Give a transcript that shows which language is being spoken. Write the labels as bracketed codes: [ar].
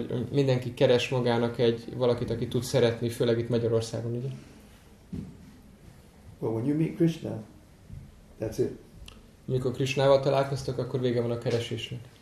[hu] Mindenki keres magának egy valakit, aki tud szeretni, főleg itt Magyarországon, ugye? [en] Well, when you meet Krishna, that's it. [hu] Mikor Krishnával találkoztok, akkor vége van a keresésnek.